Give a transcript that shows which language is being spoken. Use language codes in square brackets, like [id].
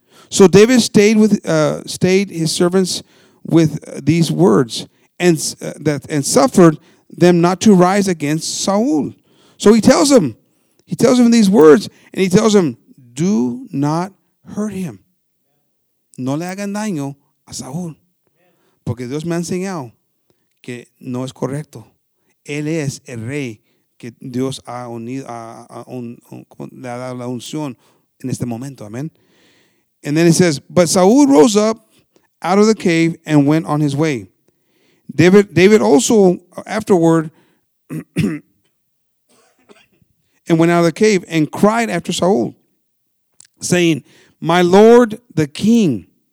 [en] So David stayed his servants with these words and suffered them not to rise against Saul. So he tells him these words, and he tells him, do not hurt him. [es] No le hagan daño a Saul. Porque Dios me ha enseñado que no es correcto. Él es el rey que Dios ha unido, le ha dado la unción en este momento. Amen. [en] And then it says, but Saul rose up out of the cave and went on his way. David also afterward and went out of the cave and cried after Saul, saying, my lord, the king.